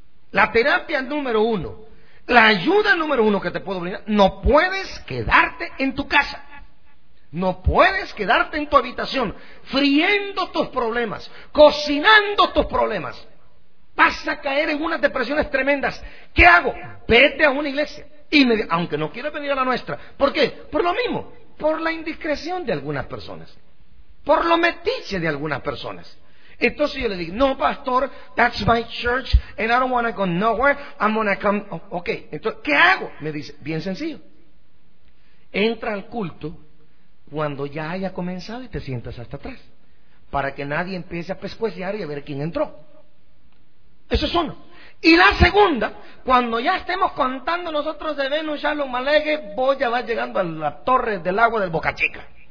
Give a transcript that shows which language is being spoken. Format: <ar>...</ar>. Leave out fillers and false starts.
<es>La terapia número uno, la ayuda número uno que te puedo brindar, no puedes quedarte en tu casa, no puedes quedarte en tu habitación friendo tus problemas, cocinando tus problemas. Vas a caer en unas depresiones tremendas. ¿Qué hago? Vete a una iglesia, aunque no quieras venir a la nuestra. ¿Por qué? Por lo mismo, por la indiscreción de algunas personas, por lo metiche de algunas personas. Entonces yo le dije: no, pastor,</es> <en>that's my church, and I don't want to go nowhere, I'm going to come.</en> <es>Ok, entonces, ¿qué hago? Me dice, bien sencillo: entra al culto cuando ya haya comenzado y te sientas hasta atrás, para que nadie empiece a pescuecear y a ver quién entró. Eso es uno. Y la segunda, cuando ya estemos contando nosotros de Venus, Shalom, Alegre, vos ya vas llegando a la torre del agua del Boca Chica.</es>